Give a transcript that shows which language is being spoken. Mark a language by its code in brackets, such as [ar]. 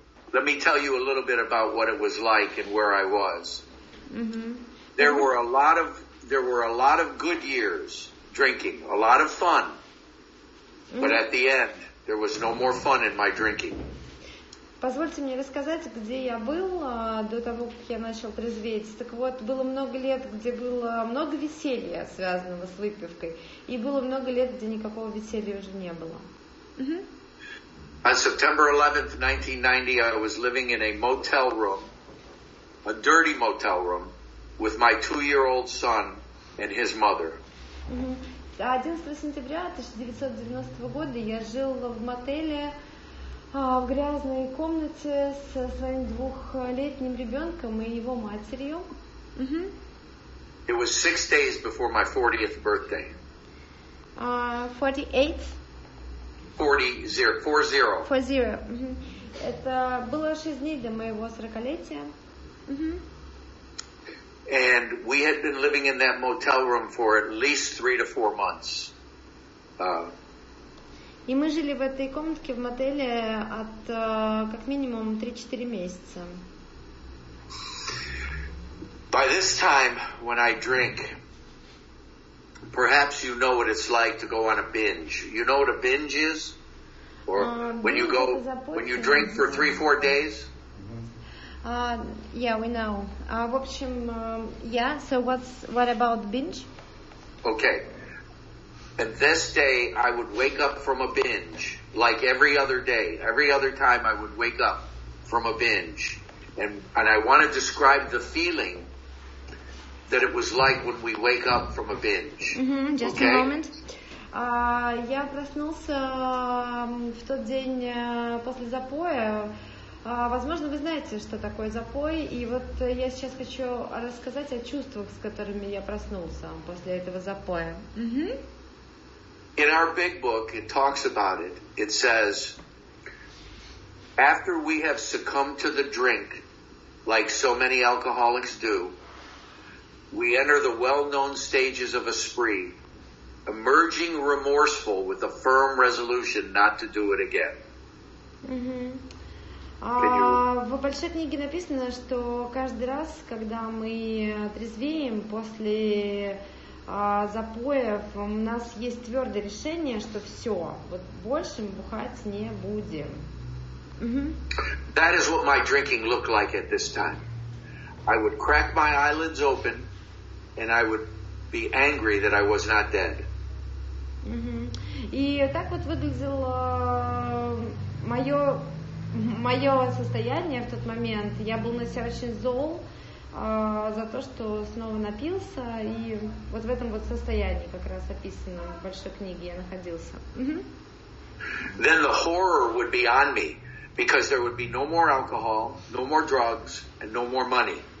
[en] Let me tell you a little bit about what it was like and where I was. There were a lot of good years drinking, a lot of fun. But at the end, there was no more fun in my drinking. [ru] Позвольте мне рассказать, где я был до того, как я начал трезветь. Так вот, было много лет, где было много веселья, связанного с выпивкой, и было много лет, где никакого веселья уже не было. [en] On September 11th, 1990, I was living in a motel room, a dirty motel room, with my 2-year-old son and his mother. [ru] 11 сентября 1990 года я жил в мотеле в грязной комнате со своим 2-летним ребенком и его матерью. [en] It was 6 days before my 40th birthday. 48th? 40. [ru] Это было 6 дней до моего 40-летия. [en] And we had been living in that motel room for at least 3 to 4 months. [ru] И мы жили в этой комнатке в мотеле от как минимум 3-4 месяца. [en] By this time, when I drink, perhaps you know what it's like to go on a binge. You know what a binge is? Or when you go, when you drink for 3-4 days? Yeah, we know. [ru] В общем, [en] yeah, so what about binge? Okay. And this day, I would wake up from a binge, like every other day. Every other time, I would wake up from a binge. And I want to describe the feeling that it was like when we wake up from a binge. Just okay? a moment. [ru] Я проснулся в тот день после запоя. Возможно, вы знаете, что такое запой. И вот я сейчас хочу рассказать о чувствах, с которыми я проснулся после этого запоя. [en] In our big book, it talks about it. It says, after we have succumbed to the drink, like so many alcoholics do, we enter the well-known stages of a spree, emerging remorseful with a firm resolution not to do it again. [ru] В большой книге написано, что каждый раз, когда мы трезвеем после запоев, у нас есть твердое решение, что все, вот больше мы бухать не будем. [en] That is what my drinking looked like at this time. I would crack my eyelids open, and I would be angry that I was not dead. [ru] И так вот выглядело мое состояние в тот момент. Я был на себя очень зол за то, что снова напился, и вот в этом вот состоянии как раз описано в большой книге я находился. [en] Then the horror would be on me, because there would be no more alcohol, no more drugs, and no more money.